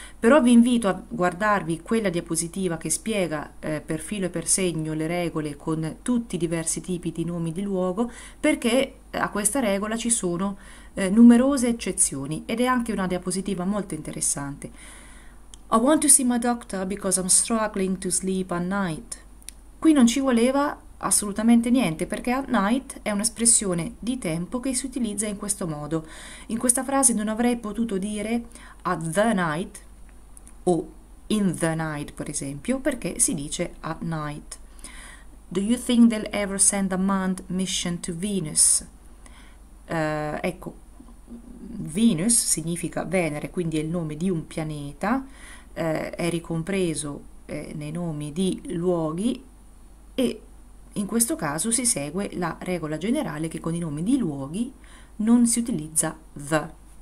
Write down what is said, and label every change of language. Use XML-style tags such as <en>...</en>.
<it>Però vi invito a guardarvi quella diapositiva che spiega per filo e per segno le regole con tutti i diversi tipi di nomi di luogo, perché a questa regola ci sono numerose eccezioni ed è anche una diapositiva molto interessante.</it> <en>I want to see my doctor because I'm struggling to sleep at night.</en> <it>Qui non ci voleva assolutamente niente, perché</it> <en>at night</en> <it>è un'espressione di tempo che si utilizza in questo modo. In questa frase non avrei potuto dire</it> <en>at the night</en> <it>o</it> <en>in the night,</en> <it>per esempio, perché si dice</it> <en>at night. Do you think they'll ever send a manned mission to Venus?</en> <it>Ecco, Venus significa Venere, quindi è il nome di un pianeta, è ricompreso nei nomi di luoghi e in questo caso si segue la regola generale che con i nomi di luoghi non si utilizza the.</it>